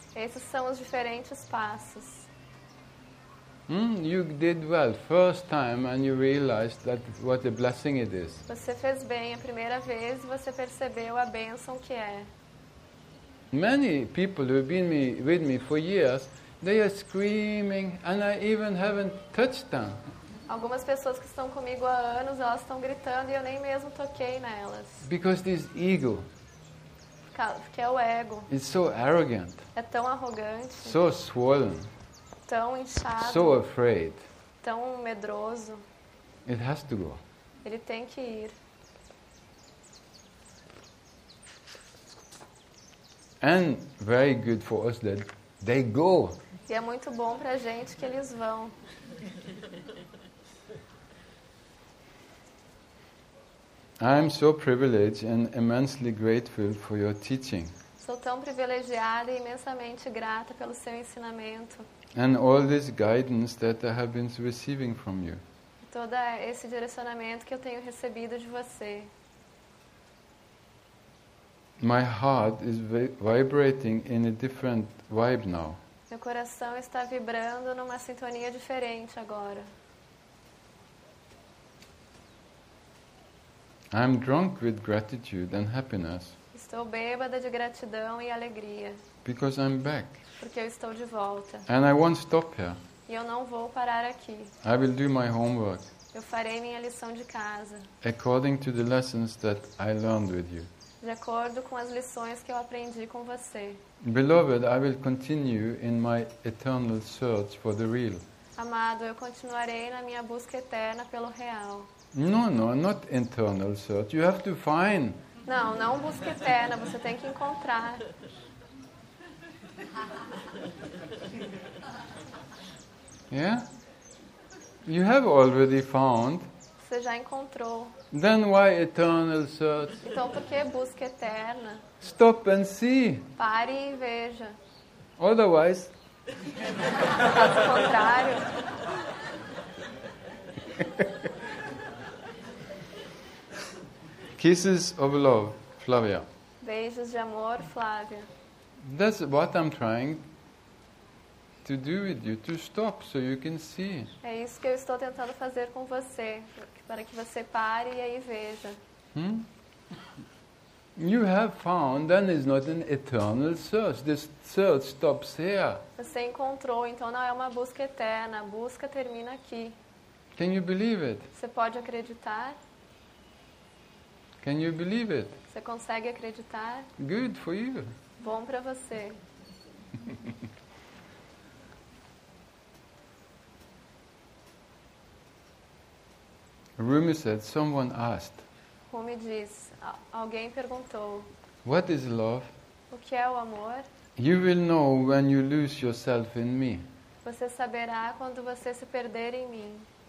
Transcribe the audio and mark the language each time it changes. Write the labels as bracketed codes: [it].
[pt] Esses são os diferentes passos. [en] You did well first time and you realized that what a blessing it is. [pt] Você fez bem a primeira vez e você percebeu a bênção que é. [en] Many people who've been with me for years, they are screaming and I even haven't touched them. [pt] Algumas pessoas que estão comigo há anos, elas estão gritando e eu nem mesmo toquei nelas. [en] Because this ego. [pt] Que é o ego. [en] It's so arrogant. [pt] É tão arrogante. [en] So swollen. [pt] Tão inchado. [en] So afraid. [pt] Tão medroso. [en] It has to go. [pt] Ele tem que ir. [en] And very good for us that they go. [pt] E é muito bom pra gente que eles vão. [en] I'm so privileged and immensely grateful for your teaching. [pt] Sou tão privilegiada e imensamente grata pelo seu ensinamento. [en] And all this guidance that I have been receiving from you. [pt] Todo esse direcionamento que eu tenho recebido de você. [en] My heart is vibrating in a different vibe now. [pt] Meu coração está vibrando numa sintonia diferente agora. [en] I'm drunk with gratitude and happiness. [pt] Estou bêbada de gratidão e alegria. [en] Because I'm back. [pt] Porque eu estou de volta. [en] And I won't stop here. [pt] E eu não vou parar aqui. [en] I will do my homework. [pt] Eu farei minha lição de casa. [en] According to the lessons that I learned with you. [pt] De acordo com as lições que eu aprendi com você. [en] Beloved, I will continue in my eternal search for the real. [pt] Amado, eu continuarei na minha busca eterna pelo real. [en] No, not internal search. You have to find. [pt] Não, não busca eterna. Você tem que encontrar. [en] Yeah? You have already found. [pt] Você já encontrou. [en] Then why eternal search? [pt] Então por que busca eterna? [en] Stop and see. [pt] Pare e veja. [en] Otherwise. [pt] Caso contrário. [en] Kisses of love, Flavia. [pt] Beijos de amor, Flavia. [en] That's what I'm trying to do with you, to stop so you can see. [pt] É isso que eu estou tentando fazer com você, para que você pare e aí veja. [en] You have found, then it's not an eternal search. This search stops here. [pt] Você encontrou, então não é uma busca eterna. A busca termina aqui. [en] Can you believe it? [pt] Você pode acreditar? [en] Can you believe it? [pt] Você consegue acreditar? [en] Good for you. [pt] Bom para você. [en] Rumi said, someone asked. [pt] Rumi diz, alguém perguntou. [en] What is love? [pt] O que é o amor? [en] You will know when you lose yourself in me. [pt] Você saberá quando você se perder em mim.